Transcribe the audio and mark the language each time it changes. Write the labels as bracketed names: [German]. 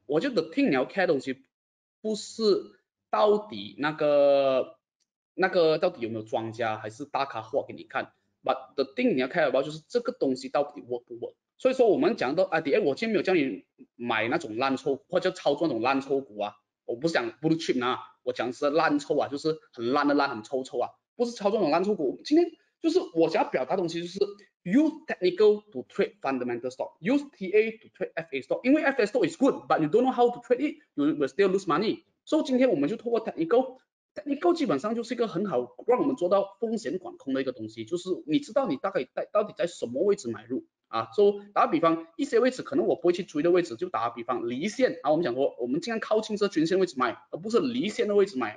[Chinese] 我觉得听你要 care 的东西，不是。到底那个到底有没有专家还是大咖画给你看 ？ [English] But the thing [Chinese] 你要看到就是这个东西到底 work 不 work。所以说我们讲到啊，我今天没有叫你买那种烂抽或者操作那种烂抽股啊，我不是讲 blue chip 啊，我讲是烂抽啊，就是很烂的烂，很抽抽啊，不是操作那种烂抽股。今天就是我想要表达的东西就是 [English] use technical to trade fundamental stock， use TA to trade FA stock， [Chinese] 因为 [English] FA stock is good， but you don't know how to trade it， you will still lose money。 [Chinese] 所以今天我们就透过 technical 基本上就是一个很好让我们做到风险管控的一个东西，就是你知道你大概到底在什么位置买入啊。所以打比方，一些位置可能我不会去追的位置，就打比方离线啊，我们讲说我们尽量靠近这均线位置买，而不是离线的位置买。